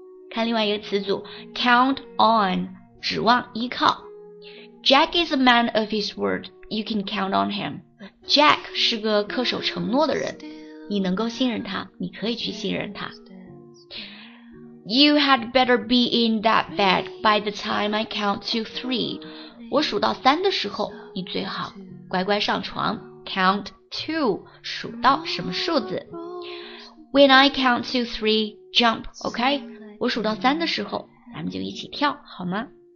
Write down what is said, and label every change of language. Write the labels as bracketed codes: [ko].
[zh] 看另外一个词组 ,count on, 指望依靠。 [en] Jack is a man of his word. You can count on him. [zh] Jack 是个恪守承诺的人，你能够信任他，你可以去信任他。 [en] You had better be in that bed by the time I count to three. [zh] 我数到三的时候，你最好乖乖上床。 [en] Count two, [zh] 数到什么数字。 [en] When I count to three, jump, okay? [zh] 我数到三的时候，咱们就一起跳，好吗？